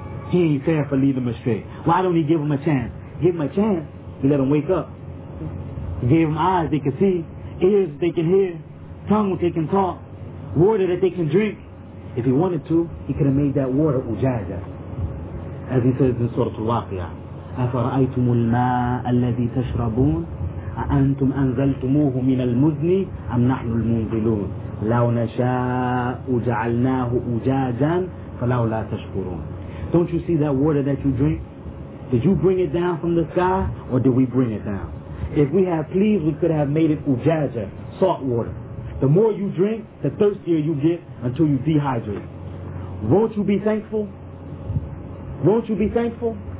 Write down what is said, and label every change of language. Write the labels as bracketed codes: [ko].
[en] He ain't fair for lead them astray. Why don't He give them a chance? Give them a chance, you let them wake up. You gave them eyes they can see, ears they can hear, tongue they can talk, water that they can drink. If He wanted to, He could have made that water ujaja. As He says in Surah Al-Waqi'ah, [ar] أَفَرَأَيْتُمُ الْمَاءَ الَّذِي تَشْرَبُونَ أَأَنْتُمْ أَنْزَلْتُمُوهُ مِنَ الْمُزْنِ أَمْ نَحْنُ الْمُنْزِلُونَ لَوْ نَشَاءُ جَعَلْنَاهُ أُجَاجًا فَلَوْلَا تَشْكُرُونَ. [en] Don't you see that water that you drink? Did you bring it down from the sky, or did we bring it down? If we had pleased, we could have made it ujaja, salt water. The more you drink, the thirstier you get until you dehydrate. Won't you be thankful? Won't you be thankful?